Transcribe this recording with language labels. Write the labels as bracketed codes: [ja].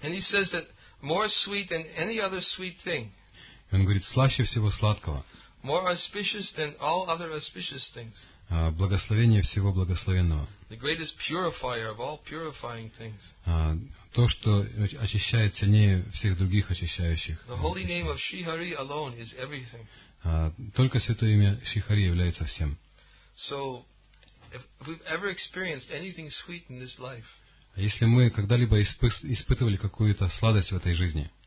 [en] And he says that more sweet than any other sweet thing. [ru] Он говорит, слаще всего сладкого. [en] More auspicious than all other auspicious things. [ru] Благословение всего благословенного. [en] The greatest purifier of all purifying things. [ru] То, что очищает сильнее всех других очищающих. [en] The holy name of Shri Hari alone is everything. [ru] Только святое имя Шри Хари является всем. [en] So, if we've ever experienced anything sweet in this life, [ru] если мы когда-либо испытывали какую-то сладость в этой жизни,